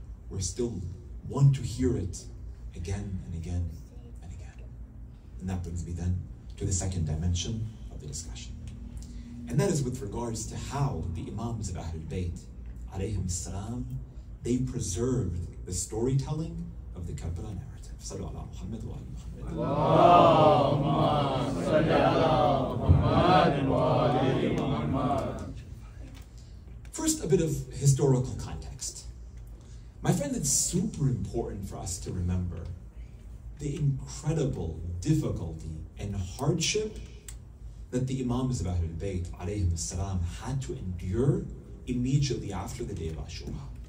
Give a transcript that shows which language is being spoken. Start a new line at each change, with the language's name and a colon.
English: We still want to hear it again and again and again. And that brings me then to the second dimension of the discussion. And that is with regards to how the Imams of Ahlul Bayt, alayhim salam, they preserved the storytelling of the Karbala narrative.
Arabic: صلوا على محمد وآل محمد. اللهم صل على محمد وآل محمد.
English: First, a bit of historical context. My friend, it's super important for us to remember the incredible difficulty and hardship that the Imams of Ahlul Bayt alayhim salam had to endure immediately after the day of Ashura.